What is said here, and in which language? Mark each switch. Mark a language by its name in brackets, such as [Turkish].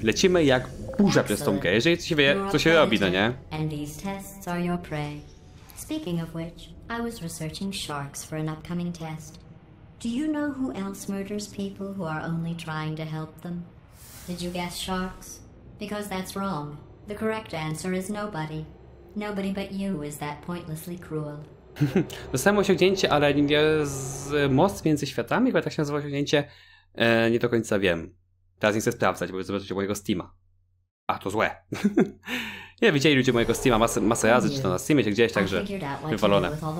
[Polish] Lecimy jak burza przez tą grę, jeżeli się wie, co się robi, no nie? [English] And these tests are your prey. Speaking of which, I was researching sharks for an upcoming test. Do you know who else murders people who are only trying to help them? Did you guess sharks? Because that's wrong. The correct answer is nobody. Nobody but you is that pointlessly cruel. [Polish] To samo osiągnięcie, ale nie z most między światami, chyba tak się nazywa osiągnięcie, nie do końca wiem. Teraz nie chcę sprawdzać, bo zobaczyć mojego Steama. A, to złe. Nie, widzieli ludzie mojego Steama masę razy, czy to na Steamie, czy gdzieś, także wywalone.